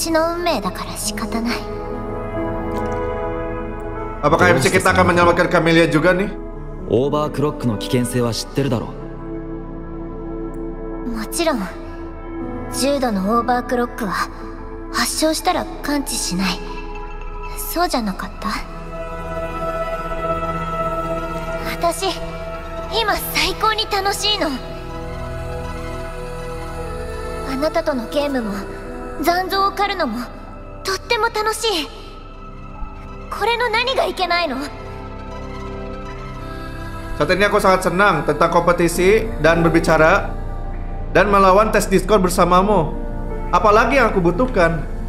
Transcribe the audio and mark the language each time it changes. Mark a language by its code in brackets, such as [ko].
[ja] 崖っぷちで踊り続けるのが私だから、オーバークロックなんかにはならないよ。もしそうなったら、それはそれで私の運命だから仕方ない。 [id] Apakah MC kita akan menyelamatkan Camelia juga nih? [ja] オーバークロックの危険性は知ってるだろう。もちろん、重度のオーバークロックは発症したら感知しない。そうじゃなかった? 私、今最高に楽しいの。なたとのゲームも残像を狩るのもとっても楽しい。これの何がいけないの？ [id] Saat ini aku sangat senang tentang kompetisi dan berbicara dan melawan tes Discord bersamamu. Apalagi yang aku butuhkan?